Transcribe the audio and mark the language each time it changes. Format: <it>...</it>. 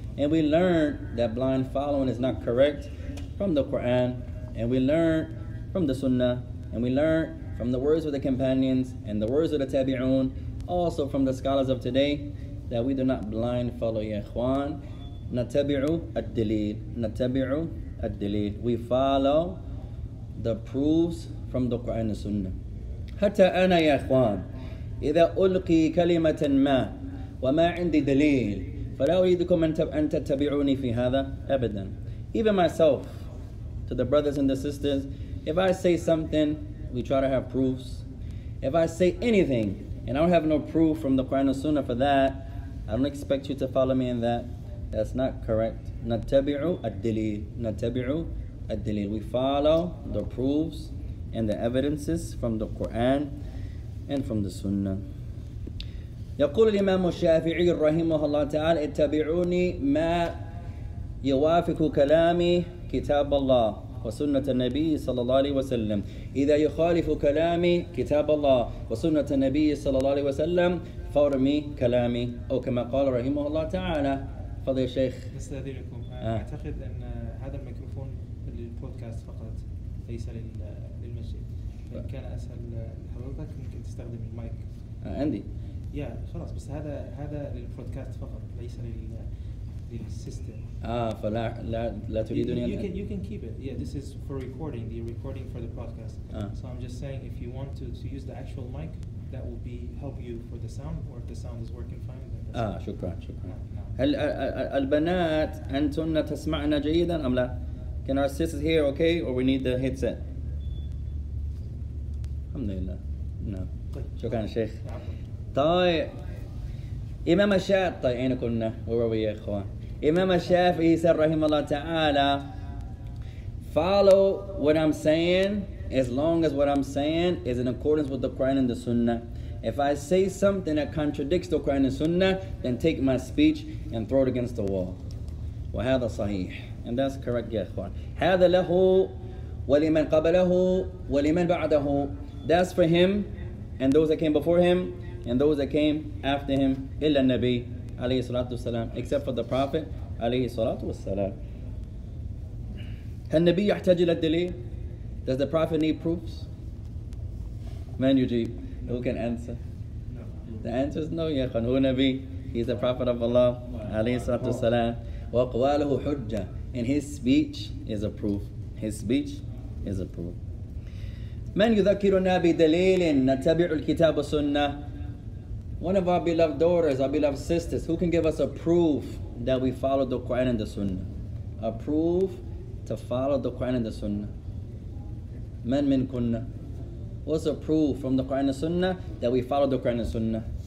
<en>And we learn that blind following is not correct from the Quran, and we learn from the Sunnah, and we learn from the words of the companions and the words of the tabi'un, also from the scholars of today, that we do not blind follow, ya ikhwan.</en> <ar>نتبعوا الدليل. نتبعوا الدليل.</ar> <en>We follow the proofs from the Quran and Sunnah.</en> <ar>حتى أنا يا إخوان إذا ألقي كلمة ما وما عندي دليل فلا أريدكم أن تتبعوني في هذا أبدا.</ar> <en>Even myself, to the brothers and the sisters, if I say something, we try to have proofs. If I say anything and I don't have no proof from the Quran and Sunnah for that, I don't expect you to follow me in that. That's not correct.</en> <ar>نتبعوا الدليل. نتبعوا الدليل.</ar> <en>We follow the proofs and the evidences from the Quran and from the Sunnah.</en> <ar>يقول الإمام الشافعي رحمه الله تعالى اتبعوني ما يوافق كلامي كتاب الله وسنة النبي صلى الله عليه وسلم إذا يخالف كلامي كتاب الله وسنة النبي صلى الله عليه وسلم فرمي كلامي أو كما قال رحمه الله تعالى. فضي الشيخ نستأذنكم أعتقد أن هذا الميكروفون للبودكاست فقط ليس للمسجد. إن كان أسهل لحضرتك ممكن تستخدم المايك عندي. يا خلاص بس هذا للبودكاست فقط ليس للسيستم. فلا لا تريدني.</ar> <en>You can keep it. Yeah, this is for recording. The recording for the podcast. So I'm just saying if you want to use the actual mic that will be help you for the sound or if the sound is working fine.</en> <ar>شكرا. البنات أنتن تسمعنا جيدا أم لا؟</ar> <en>Can our sisters hear okay or we need the headset?</en> <ar>الحمد لله. No. شكرا شيخ. طيب إمام الشافعي أين كنا؟</ar> <en>Where were we,</en> <ar>إخوان؟ إمام الشافعي سر رحمه الله تعالى.</ar> <en>Follow what I'm saying as long as what I'm saying is in accordance with the Quran and the Sunnah. If I say something that contradicts the Quran and Sunnah, then take my speech and throw it against the wall.</en> <ar>وهذا صحيح.</ar> <en>And that's correct,</en> <ar>يا إخوان. هذا له ولمن قبله ولمن بعده.</ar> <en>That's for him and those that came before him and those that came after him.</en> <ar>إلا النبي عليه الصلاة والسلام.</ar> <en>Except for the Prophet عليه الصلاة والسلام.</en> <ar>هل النبي يحتاج إلى الدليل?</ar> <en>Does the Prophet need proofs?</en> <ar>من يجيب?</ar> <en>Who can answer? No. The answer is no, يا أخوان.</en> <ar>هو نبي.</ar> <en>He's the Prophet of Allah عليه الصلاة والسلام.</en> <ar>وقواله حجة.</ar> <en>And his speech is a proof. His speech is a proof.</en> <ar>من يذكرنا بدليل نتبع الكتاب والسنة.</ar> <en>One of our beloved daughters, our beloved sisters, who can give us a proof that we follow the Quran and the Sunnah? A proof to follow the Quran and the Sunnah.</en> <ar>من منكن.</ar> <en>What's a proof from the Quran and Sunnah that we follow the Quran and Sunnah?</en>